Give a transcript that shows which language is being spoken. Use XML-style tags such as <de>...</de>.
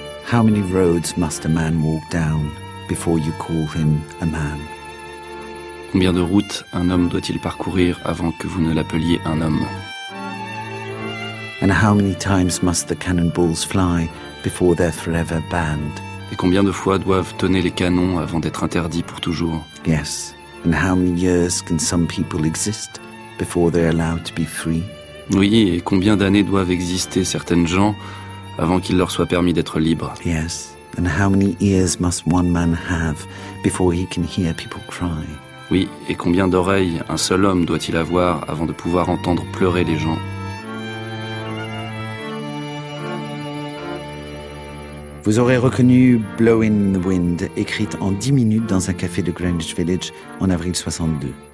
<en>How many roads must a man walk down before you call him a man?</en> <fr>Combien de routes un homme doit-il parcourir avant que vous ne l'appeliez un homme?</fr> <en>And how many times must the cannonballs fly before they're forever banned?</en> <fr>Et combien de fois doivent tonner les canons avant d'être interdits pour toujours?</fr> <en>Yes. And how many years can some people exist before they're allowed to be free?</en> <fr>Oui, et combien d'années doivent exister certaines gens avant qu'il leur soit permis d'être libre?</fr> <en>Yes. And how many ears must one man have before he can hear people cry?</en> <fr>Oui, et combien d'oreilles un seul homme doit-il avoir avant de pouvoir entendre pleurer les gens? Vous aurez reconnu Blow in the Wind, écrite en 10 minutes dans un café de Greenwich Village en avril 62.</fr>